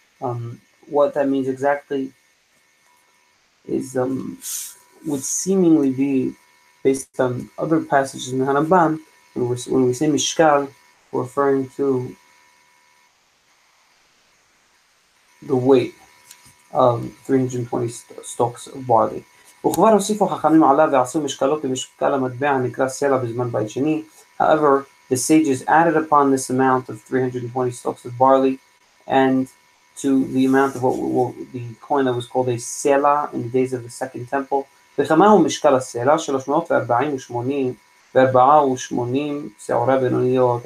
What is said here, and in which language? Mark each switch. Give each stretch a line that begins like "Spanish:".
English: What that means exactly is would seemingly be based on other passages in the Hanabam. When we say mishkal, we're referring to the weight of 320 stalks of barley.
Hebrew: וכבר הוסיפו חכמים עליו ועשו משקלות במשקל המטבע הנקרא סלע בזמן בית שני.
English: However, the sages added upon this amount of 320 stalks of barley and to the amount of what the coin that was called a سلا in the days of the second temple.
Hebrew: וכמה הוא משקל הסלע? 384 שעורי בינוניות.